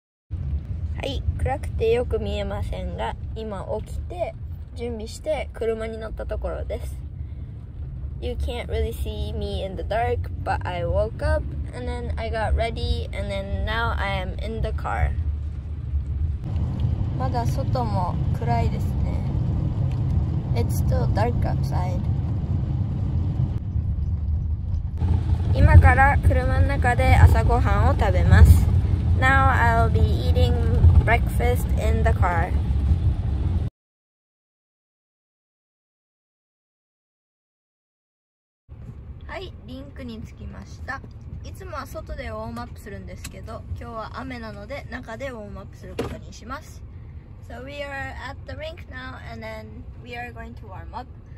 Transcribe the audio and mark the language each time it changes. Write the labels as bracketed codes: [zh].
[ja] はい、暗くてよく見えませんが、今起きて準備して車に乗ったところです。 [en] You can't really see me in the dark, but I woke up and then I got ready and then now I am in the car. [ja] まだ外も暗いですね。 [en] It's still dark outside. [ja] 今から車の中で朝ごはんを食べます。 [en] Now I'll be eating breakfast in the car. [ja] はい、リンクに着きました。いつもは外でウォームアップするんですけど、今日は雨なので中でウォームアップすることにします。 [en] So we are at the rink now and then we are going to warm up.